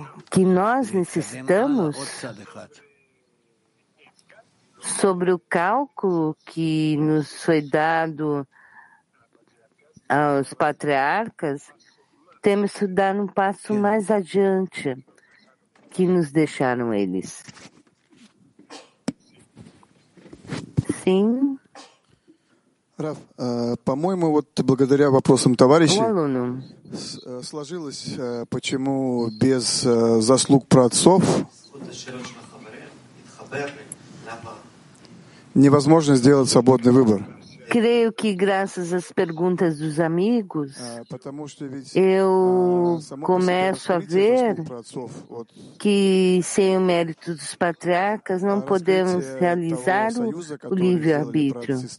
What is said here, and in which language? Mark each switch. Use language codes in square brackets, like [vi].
[pt] Que nós necessitamos, sobre o cálculo que nos foi dado aos patriarcas, temos que dar um passo mais adiante que nos deixaram eles. Sim? [ru] Rav, по-моему, вот благодаря вопросам товарищей, [pt] aluno, [ru] сложилось, почему без заслуг праотцов невозможно сделать свободный выбор. [pt] Creio que graças às perguntas dos amigos, eu começo a ver que sem o mérito dos patriarcas não podemos realizar o livre-arbítrio.